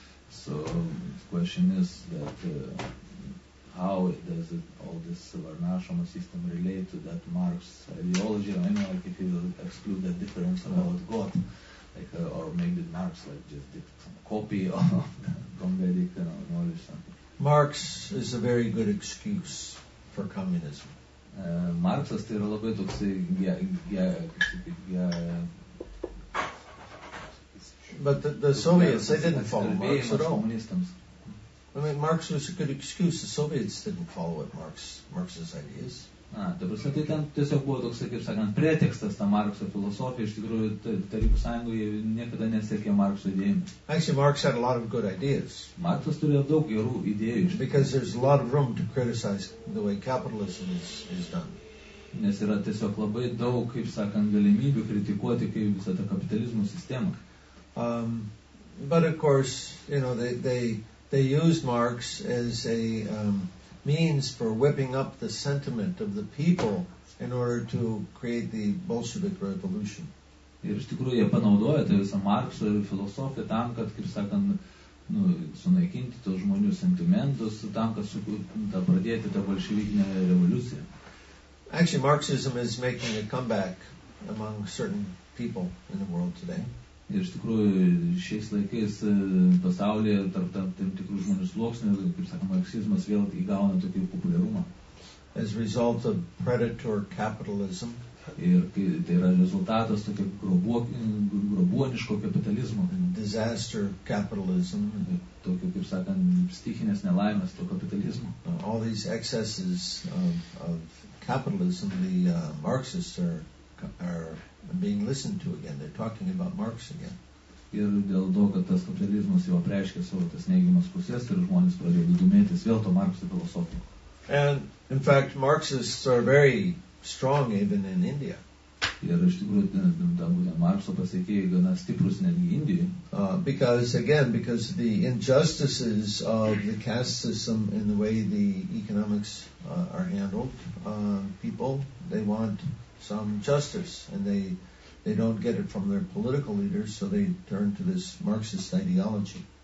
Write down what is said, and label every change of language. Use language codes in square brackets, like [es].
[en] So the question is that how does all this varnashrama system relate to that Marx ideology? I mean, like if you exclude that difference about God, like or maybe Marx like just did some copy of Gombedic knowledge something. Marx is a very good excuse for communism. [lt] Marxas tai yra labai toksai [en] But the Soviets, they didn't follow Marx at all. [lt] Komunistams. [en] I mean, Marx was a good excuse. The Soviets didn't follow it, Marx's ideas. [lt] Tai ten tiesiog buvo toks, kaip sakant, pretekstas tą Markso filosofiją. Iš tikrųjų, Tarybų Sąjungoje niekada nesiekė Markso idėjimus. [en] Actually, Marx had a lot of good ideas. [lt] Marksas turėjo daug gerų idėjų. [en] Because there's a lot of room to criticize the way capitalism is done. [lt] Nes yra tiesiog labai daug, kaip sakant, galimybių kritikuoti, kaip visą tą kapitalizmo sistemą. [en] But of course, you know, they used Marx as a means for whipping up the sentiment of the people in order to create the Bolshevik revolution. [lt] Ir iš tikrųjų jie panaudojo tą visą Markso filosofiją tam, kad, kaip sakant, sunaikinti tos žmonių sentimentus, tam, kad pradėti tą bolševikinę revoliuciją. [en] Actually, Marxism is making a comeback among certain people in the world today. [lt] Ir iš tikrųjų šiais laikais pasaulyje tarp tam tikrų žmonių sluoksnių, kaip sakoma, marksizmas vėl įgauna tokį populiarumą. [en] As a result of predator capitalism. [lt] Ir tai yra rezultatas tokio grobuoniško kapitalizmo. [en] Disaster capitalism. [lt] Tokio, kaip sakant, stichinės nelaimės to kapitalizmo. [en] All these excesses of capitalism, the Marxists are being listened to again. They're talking about Marx again. [lt] Ir dėl to, kad tas kapitalizmas jau apreiškė savo tas neigiamas pusės ir žmonės pradėjo domėtis vėl to Markso filosofiją. [en] And in fact, Marxists are very strong even in India. [lt] Ir iš tikrųjų, ta būtent Markso pasiekėjai gana stiprus netgi Indijoje. [en] Because the injustices of the caste system in the way the economics are handled, people, they want some justice and they don't get it from their political leaders, so they turn to this Marxist ideology.